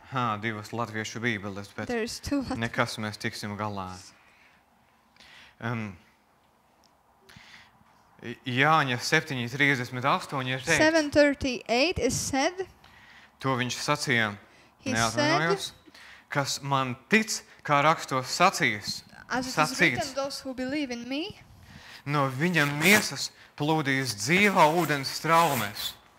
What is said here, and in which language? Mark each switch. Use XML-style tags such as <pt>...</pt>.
<lv>Ha, divas latviešu bībeles, bet nekas mēs tiksim galā. Jāņa 7:38 ir teikts.</lv> <en>7:38 is said.</en> <lv>To viņš sacīja, neatvainojos, kas man tic, kā rakstos sacīs. Sacīts.</lv> <en>As it is written, those who believe in me.</en> <lv>No viņa miesas plūdīs dzīvā ūdens straumes.</lv>